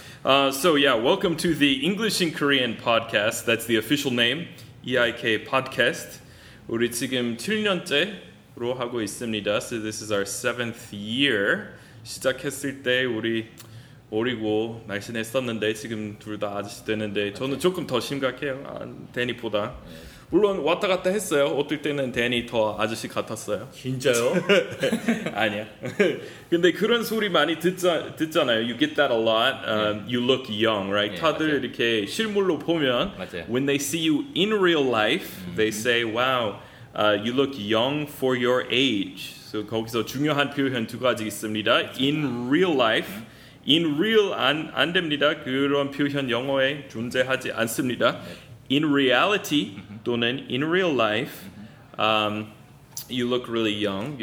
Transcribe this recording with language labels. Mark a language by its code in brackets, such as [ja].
[en] So yeah, welcome to the English and Korean podcast. That's the official name, EiK Podcast. [ko] 우리 지금 7년째로 하고 있습니다. [en] So this is our 7th year. [ko] 시작했을 때 우리 어리고 날씬했었는데 지금 둘 다 아저씨되는데 저는 조금 더 심각해요. 아, 데니보다. 물론 왔다 갔다 했어요. 어떨 때는 데니 더 아저씨 같았어요. 진짜요? 아니야. 근데 그런 소리 많이 듣잖아요. [en] You get that a lot. You look young, right? [ko] 다들 맞아요. 이렇게 실물로 보면 맞아요. [en] When they see you in real life, they say, wow, you look young for your age. [ko] So 거기서 중요한 표현 두 가지 있습니다. [en] In real life. In real [ko] 안 됩니다. 그런 표현 영어에 존재하지 않습니다. [en] In reality 또는 in real life, you look really young.